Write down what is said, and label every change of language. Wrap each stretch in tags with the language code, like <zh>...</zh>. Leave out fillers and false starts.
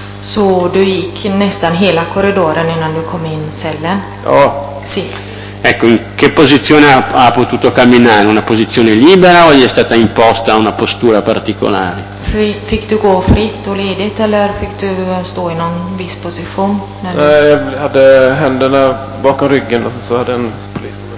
<sv>Så du gick nästan hela korridoren innan du kom in cellen? Ja. Oh.</sv> <it>Sì. Ecco, in che posizione ha potuto camminare? Una posizione libera o gli è stata imposta una postura particolare?</it> <sv>Fick du gå fritt och ledigt eller fick du stå i någon viss position? Nej, jag hade händerna bakom ryggen och så hade en polis.</sv>